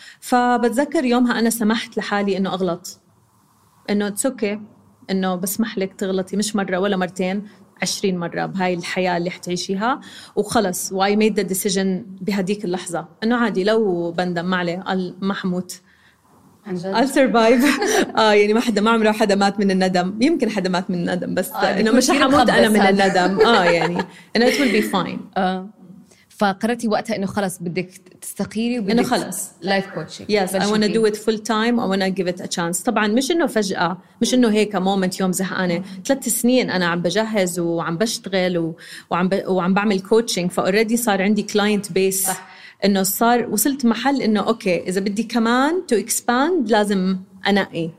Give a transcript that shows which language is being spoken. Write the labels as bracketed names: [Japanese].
[Arabic] فبتذكر يومها أنا سمحت لحالي إنه أغلط، إنه تسكي، إنه بسمح لك تغلطي مش مرة ولا مرتين، 20 مرة بهاي الحياة اللي حتعيشيها وخلص. و [English] I made the decision [Arabic] بهديك اللحظة إنه عادي لو بندم ما عليه، ما حموت، [English] I'll survive. [Arabic] يعني ما حدا، ما عمره حدا مات من الندم، يمكن حدا مات من الندم بس إنه مش حموت أنا من الندم. يعني إنه [English] it will be fine. [Arabic] فقررتي وقتها إنه خلص بدك تستقيلي وبدك إنه خلص [English] life coaching. Yes I wanna do it full time. I wanna give it a chance. [Arabic] طبعاً مش إنه فجأة، مش إنه هيك moment يوم زهقانة. 3 سنين أنا عم بجهز وعم بشتغل وعم بعمل coaching. فأوريدي صار عندي client base. صح. إنه صار وصلت محل إنه أوكي إذا بدي كمان [English] to expand [Arabic] لازم أنقي.